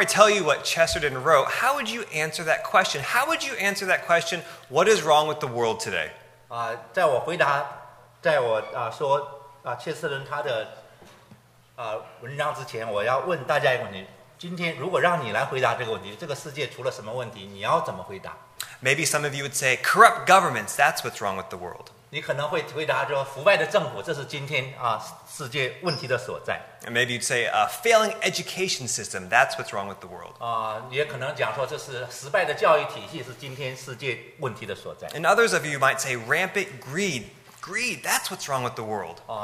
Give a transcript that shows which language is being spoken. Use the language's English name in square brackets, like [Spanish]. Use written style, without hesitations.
[English] I tell you what Chesterton wrote, how would you answer that question? How would you answer that question? What is wrong with the world today? [Chinese] 在我回答，在我说切斯特顿他的文章之前，我要问大家一个问题：今天如果让你来回答这个问题，这个世界出了什么问题？你要怎么回答？ [English] Maybe some of you would say, corrupt governments, that's what's wrong with the world. [Chinese] 你可能会回答说腐败的政府，这是今天世界问题的所在。 [English] And maybe you'd say, failing education system, that's what's wrong with the world. [Chinese] 也可能讲说这是失败的教育体系，是今天世界问题的所在。 [English] And others of you might say, rampant greed. Greed, that's what's wrong with the world.